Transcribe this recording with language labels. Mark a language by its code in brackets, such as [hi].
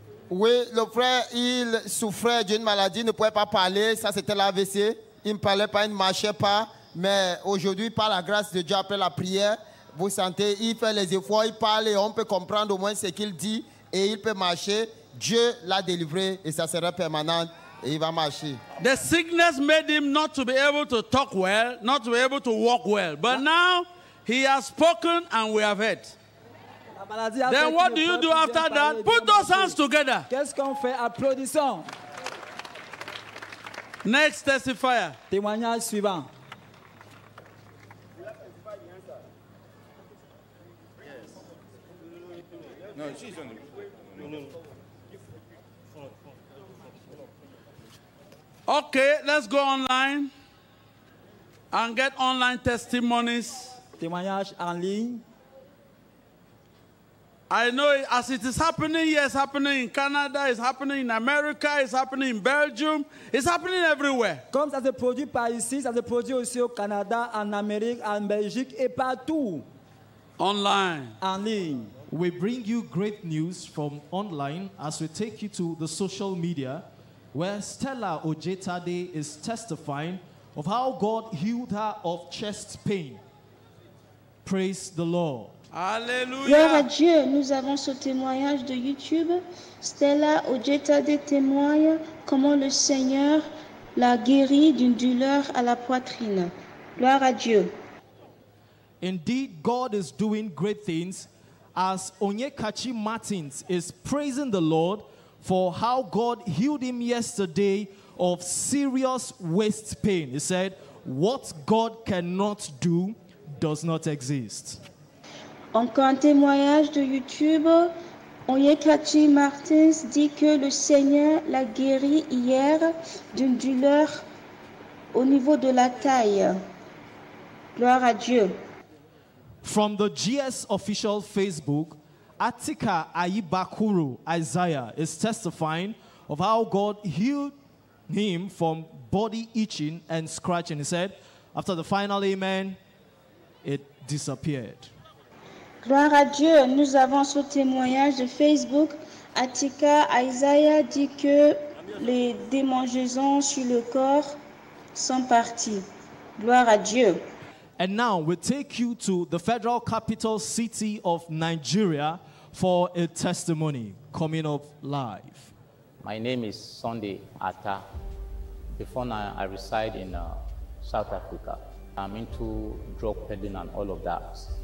[fr] Oui, le frère, il souffrait d'une maladie, ne pouvait pas parler, ça c'était l'AVC, il ne parlait pas, il ne marchait pas, mais aujourd'hui, par la grâce de Dieu, après la prière, vous sentez, il fait les efforts, il parle et on peut comprendre au moins ce qu'il dit et il peut marcher. Dieu l'a délivré et ça sera permanent. [en] The sickness made him not to be able to talk well, not to be able to walk well. But now he has spoken and we have heard. Then what do you do after that? Put those hands together. [fr] Qu'est-ce qu'on fait? Applaudissons. [en] Next testifier. [fr] Témoignage suivant. [en] Okay, let's go online and get online testimonies. [fr] Témoignage en ligne. [en] I know as it is happening here, it's happening in Canada, it's happening in America, it's happening in Belgium, it's happening everywhere. [fr] Comme ça se produit par ici, ça se produit aussi au Canada, en Amérique, en Belgique et partout. [en] Online. [fr] En ligne. [en] We bring you great news from online as we take you to the social media, where Stella Ojetade is testifying of how God healed her of chest pain. Praise the Lord. [fr] Alléluia. Gloire à Dieu, nous avons ce témoignage de YouTube. Stella Ojetade témoigne comment le Seigneur l'a guérie d'une douleur à la poitrine. Gloire à Dieu. [en] Indeed, God is doing great things as Onyekachi Martins is praising the Lord for how God healed him yesterday of serious waist pain. He said, what God cannot do does not exist. [fr] Encore un témoignage de YouTube. Onyekachi Martins dit que le Seigneur l'a guéri hier d'une douleur au niveau de la taille. Gloire à Dieu. [en] From the GS official Facebook, Atika Ayibakuru Isaiah is testifying of how God healed him from body itching and scratching. He said, after the final amen, it disappeared. [fr] Gloire à Dieu, nous avons ce témoignage de Facebook. Atika Isaiah dit que les démangeaisons sur le corps sont parties. Gloire à Dieu. [en] And now we take you to the federal capital city of Nigeria for a testimony coming up live. My name is Sunday Atta. Before now, I reside in South Africa. I'm into drug peddling and all of that.